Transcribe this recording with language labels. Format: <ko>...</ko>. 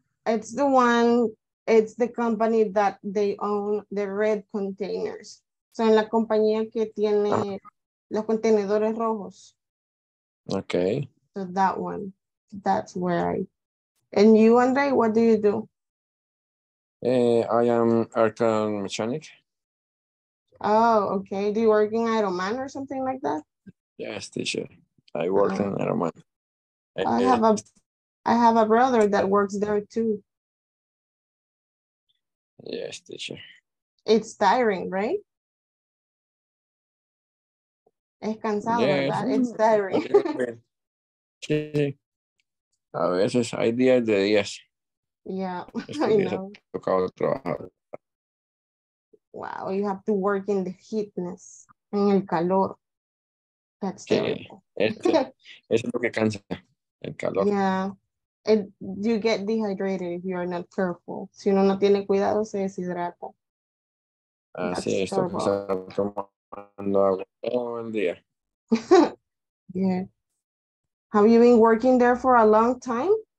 <en>It's the one, it's the company that they own the red containers.</en> <es>O sea, en la compañía que tiene los contenedores rojos.</es> <en>Okay. So that one. That's where I... And you, Andre, what do you do? I am aircon mechanic. Oh, okay. Do you work in Ironman or something like that? Yes, teacher. I work in Ironman. I have a brother that works there too. Yes, teacher. It's tiring, right?</en> <es>Es cansado, yes. ¿Verdad? It's tiring. Sí. A veces hay días de días.</es> <en>Yeah, I know.</en> <es>Tocado trabajar.</es> <en>Wow, you have to work in the heatness, en el calor. That's terrible.</en> <es>Eso es lo que cansa, el calor.</es> <en>Yeah, and you get dehydrated if you are not careful.</en> <es>Si uno no tiene cuidado, se deshidrata. Así es, estoy tomando agua todo el día.</es> <en>Yeah. Have you been working there for a long time?</en>